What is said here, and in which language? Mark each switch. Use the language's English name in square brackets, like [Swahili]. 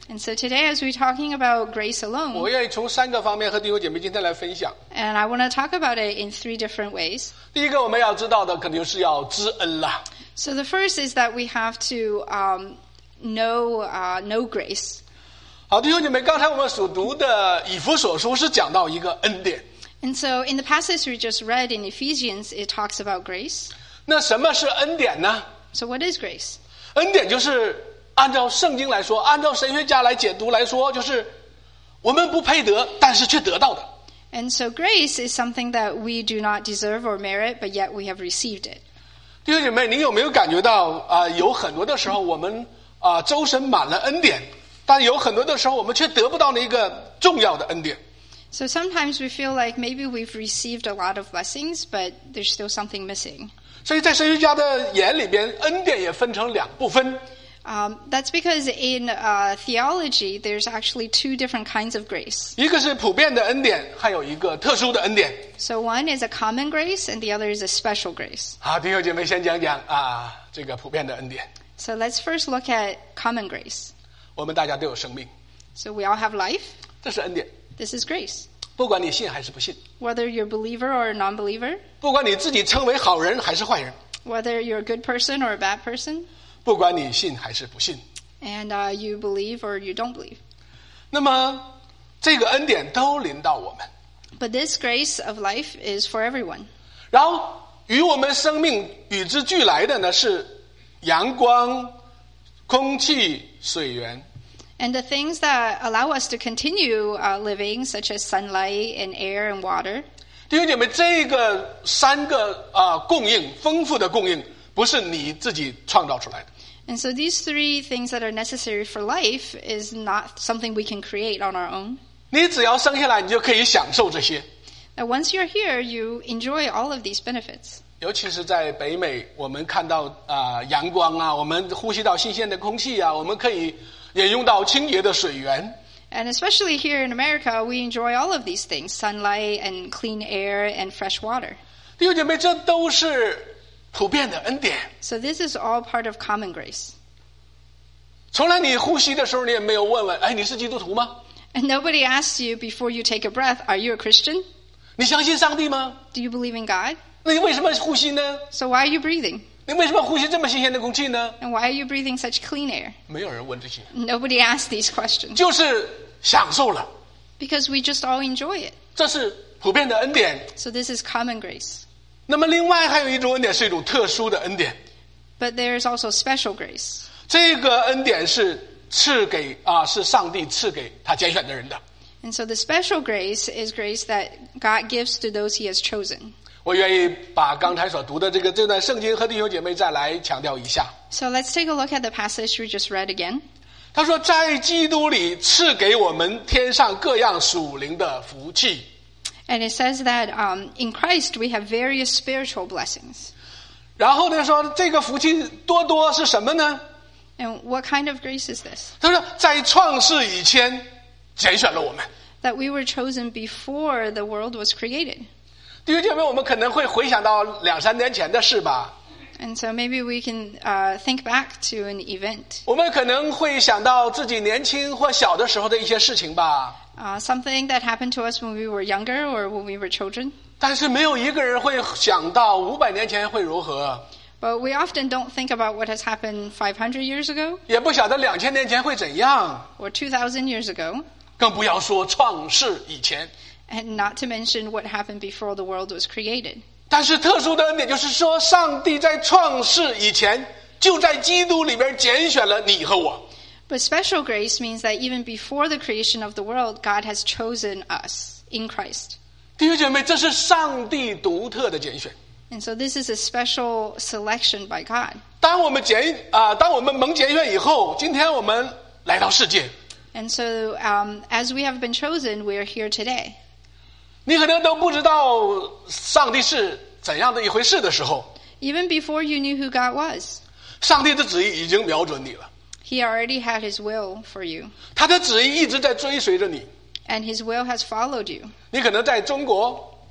[English] And so today, as we're talking about grace alone, [Chinese] 我愿意从三个方面和弟兄姐妹今天来分享。 [English] And I want to talk about it in three different ways. [Chinese] 第一个我们要知道的肯定是要知恩了。 [English] So the first is that we have to know grace. [Chinese] 好，弟兄姐妹，刚才我们所读的以弗所书是讲到一个恩典。 [English] And so in the passage we just read in Ephesians, it talks about grace. [Chinese] 那什么是恩典呢？ [English] So what is grace? [Chinese] 恩典就是按照圣经来说，按照神学家来解读来说，就是我们不配得，但是却得到的。 [English] And so grace is something that we do not deserve or merit, but yet we have received it. [Chinese] 弟兄姐妹，您有没有感觉到有很多的时候我们周身满了恩典，但有很多的时候我们却得不到那个重要的恩典。 [English] So sometimes we feel like maybe we've received a lot of blessings, but there's still something missing. [Chinese] 所以在神学家的眼里边，恩典也分成两部分。 [English] That's because in theology, there's actually two different kinds of grace. [Chinese] 一个是普遍的恩典，还有一个特殊的恩典。 [English] So one is a common grace, and the other is a special grace. [Chinese] 好，弟兄姐妹先讲讲这个普遍的恩典。 [English] So let's first look at common grace. [Chinese] 我们大家都有生命。 [English] So we all have life. [Chinese] 这是恩典。 [English] This is grace. [Chinese] 不管你信还是不信。 [English] Whether you're a believer or a non-believer. [Chinese] 不管你自己称为好人还是坏人。 [English] Whether you're a good person or a bad person. [Chinese] 不管你信还是不信。 [English] And you believe or you don't believe. [Chinese] 那么这个恩典都临到我们。 [English] But this grace of life is for everyone. [Chinese] 然后与我们生命与之俱来的呢是阳光、空气、水源。 [English] And the things that allow us to continue living, such as sunlight and air and water. [Chinese] 弟兄姐妹，这个三个供应，丰富的供应，不是你自己创造出来的。 [English] And so these three things that are necessary for life is not something we can create on our own. [Chinese] 你只要生下来，你就可以享受这些。 [English] Now once you're here, you enjoy all of these benefits. [Chinese] 尤其是在北美，我们看到阳光啊，我们呼吸到新鲜的空气啊，我们可以饮用到清洁的水源。 [English] And especially here in America, we enjoy all of these things: sunlight and clean air and fresh water. [Chinese] 弟兄姐妹，这都是普遍的恩典。 [English] So this is all part of common grace. [Chinese] 从来你呼吸的时候，你也没有问问，哎，你是基督徒吗 [English] ？And nobody asks you before you take a breath, "Are you a Christian?" [Chinese] 你相信上帝吗 [English] ？Do you believe in God? [Chinese] 那你为什么呼吸呢 [English] ？So why are you breathing？ [Chinese] 你为什么呼吸这么新鲜的空气呢 [English] ？And why are you breathing such clean air？ [Chinese] 没有人问这些。 [English] Nobody asks these questions。 [Chinese] 就是享受了。 [English] Because we just all enjoy it。 [Chinese] 这是普遍的恩典。 [English] So this is common grace。 [Chinese] 那么另外还有一种恩典是一种特殊的恩典。 [English] But there is also special grace。 [Chinese] 这个恩典是赐给是上帝赐给他拣选的人的。 [English] And so the special grace is grace that God gives to those He has chosen。 [Chinese] 我愿意把刚才所读的这段圣经和弟兄姐妹再来强调一下。 [English] So let's take a look at the passage we just read again. [Chinese] 他说在基督里赐给我们天上各样属灵的福气。 [English] And it says that, in Christ we have various spiritual blessings. [Chinese] 然后呢说这个福气多多是什么呢？ [English] And what kind of grace is this? [Chinese] 他说在创世以前拣选了我们。 [English] That we were chosen before the world was created. [Chinese] 弟兄姐妹，我们可能会回想到两三年前的事吧。 [English] And so maybe we can, think back to an event. [Chinese] 我们可能会想到自己年轻或小的时候的一些事情吧。 [English] Something that happened to us when we were younger or when we were children. [Chinese] 但是没有一个人会想到五百年前会如何。 [English] But we often don't think about what has happened 500 years ago. [Chinese] 也不晓得两千年前会怎样。 [English] Or 2000 years ago. [Chinese] 更不要说创世以前。 [English] And not to mention what happened before the world was created. [Chinese] 但是特殊的恩典就是说上帝在创世以前就在基督里边拣选了你和我。 [English] But special grace means that even before the creation of the world, God has chosen us in Christ. [Chinese] 弟兄姐妹，这是上帝独特的拣选。 [English] And so this is a special selection by God. [Chinese] 当我们拣啊，当我们蒙拣选以后，今天我们来到世界。 [English] And so, as we have been chosen, we are here today. [Chinese] 你可能都不知道上帝是怎样的一回事的时候。 [English] Even before you knew who God was. [Chinese] 上帝的旨意已经瞄准你了。 [English] He already had his will for you. [Chinese] 他的旨意一直在追随着你。 [English] And his will has followed you. [Chinese] 你可能在中国。